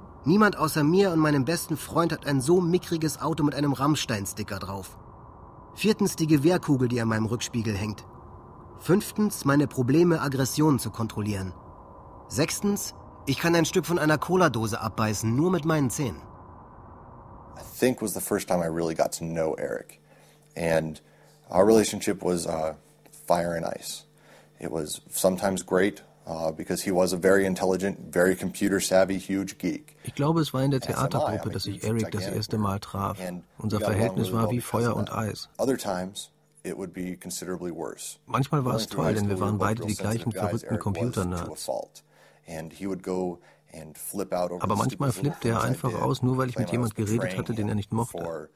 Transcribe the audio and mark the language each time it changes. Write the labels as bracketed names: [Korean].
[German] Niemand außer mir und meinem besten Freund hat ein so mickriges Auto mit einem Rammstein-Sticker drauf. Viertens die Gewehrkugel, die an meinem Rückspiegel hängt. Fünftens meine Probleme, Aggressionen zu kontrollieren. Sechstens, ich kann ein Stück von einer Cola-Dose abbeißen, nur mit meinen Zähnen. [English] I think was the first time I really got to know Eric. And our relationship was fire and ice. It was sometimes great, because he was a very intelligent, very computer savvy, huge geek. [German] Ich glaube, es war in der Theatergruppe, dass ich Eric das erste Mal traf. Unser Verhältnis war wie Feuer und Eis. [English] Other times, it would be considerably worse. [German] Manchmal war es toll, denn wir waren beide die gleichen verrückten Computer-Nerds. [English] And he would go and flip out over. [German] Aber manchmal flippte er einfach aus, nur weil ich mit jemand geredet hatte, den er nicht mochte.